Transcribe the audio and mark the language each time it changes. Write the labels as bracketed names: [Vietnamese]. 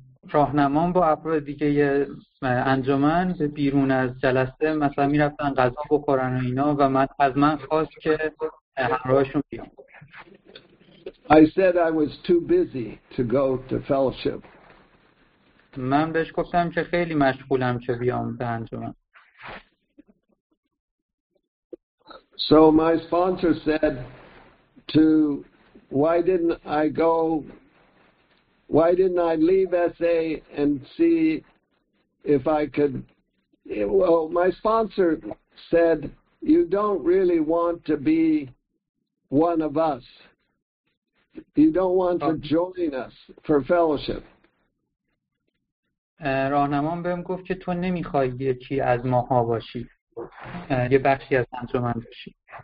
[Persian] راهنمام با افراد دیگه انجمن به بیرون از جلسه مثلا می رفتن غذا بخورن و اینا و من از من خواست که همراهشون بیام. [English] I said I was too busy to go to fellowship. [Persian] من بهش گفتم که خیلی مشغولم که بیام به انجمن. [English] So my sponsor said to why didn't I go Why didn't I leave SA and see if I could? Well, my sponsor said, "You don't really want to be one of us." You don't want to join us for fellowship. [Persian] راهنمام بهم گفت که تو نمیخوای یکی از ماها باشی، یه بخشی از انجمن باشی.